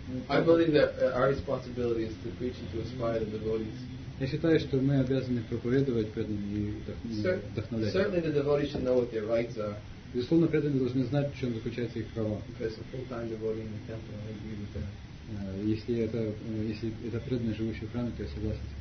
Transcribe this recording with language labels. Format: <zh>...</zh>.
<en>I believe that our responsibility is to preach and to inspire the devotees.</en> <ru>Я считаю, что мы обязаны проповедовать преданным и вдохновлять.</ru> <en>Certainly the devotees should know what their rights are.</en> <ru>Безусловно, преданные должны знать, в чем заключается их права.</ru> <en>Because a full-time devotee in the temple, I agree with that.</en> <ru>Если это преданные, живущие в храме, то я согласен.</ru>